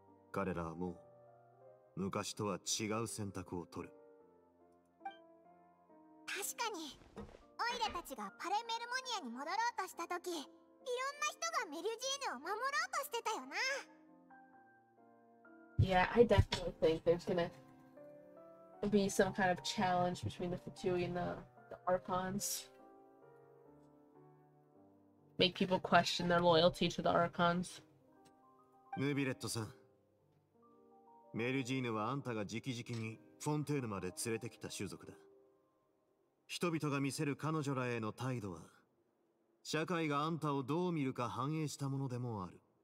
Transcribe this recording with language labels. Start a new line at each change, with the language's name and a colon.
Japanese: 彼らはもう、昔とは違う選択を取る。確かに、オイラたちがパレメルモニアに戻ろうとしたとき、いろんな人がメリュジーヌを守ろうとしてたよな。
English: Yeah, I definitely think there's gonna be some kind of challenge between the Fatui and the Archons. Make people question their loyalty to the Archons.
Japanese: ヌビレットさん、メリュジーヌはあんたが直々にフォンテーヌまで連れてきた種族だ。人々が見せる彼女らへの態度は、社会があんたをどう見るか反映したものでもある。